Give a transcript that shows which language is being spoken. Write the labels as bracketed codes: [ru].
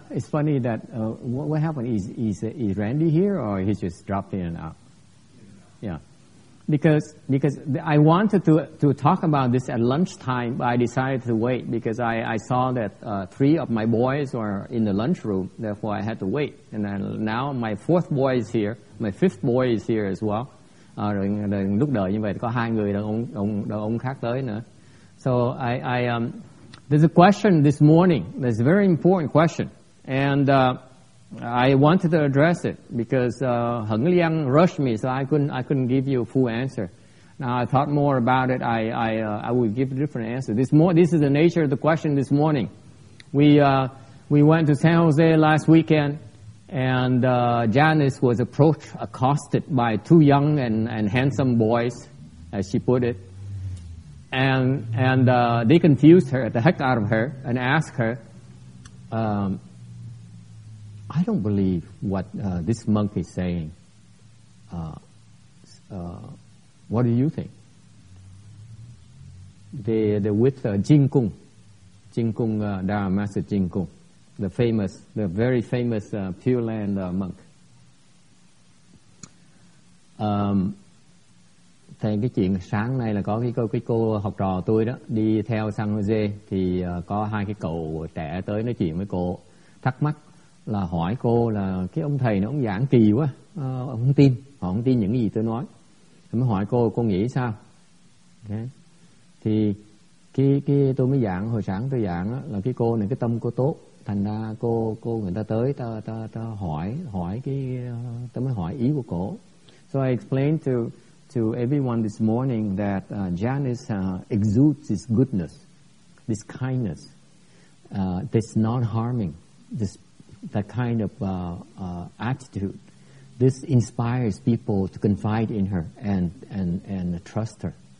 [en] It's funny that what happened is Randy here or he just dropped in and out? Yeah. Because I wanted to talk about this at lunchtime, but I decided to wait because I saw that three of my boys were in the lunchroom. Therefore, I had to wait. And then now my fourth boy is here. My fifth boy is here as well. [vi] Rồi lúc đợi như vậy có hai người đàn ông khác tới nữa. [en] So I there's a question this morning. There's a very important question, and I wanted to address it because Heng Liang rushed me, so I couldn't give you a full answer. Now I thought more about it. I would give a different answer. This is the nature of the question this morning. We went to San Jose last weekend, and Janice was accosted by two young and handsome boys, as she put it. And they confused her, the heck out of her, and asked her, I don't believe what this monk is saying. What do you think? They're with Dharma Master Jing Kung, the very famous Pure Land monk. [vi] Thì cái chuyện sáng nay là có cái cô học trò tôi đó đi theo San Jose thì có hai cái cậu trẻ tới nói chuyện với cô, thắc mắc là hỏi cô là cái ông thầy nó ông giảng kỳ quá, ông không tin, họ không tin những gì tôi nói. Thì mới hỏi cô nghĩ sao? Okay. Thì cái tôi mới giảng hồi sáng tôi giảng đó, là cái cô này cái tâm cô tốt, thành ra cô người ta tới ta hỏi cái tôi mới hỏi ý của cô. [en] So I explained to everyone this morning that Janice exudes this goodness, this kindness, this non-harming, this that kind of attitude. This inspires people to confide in her and trust her.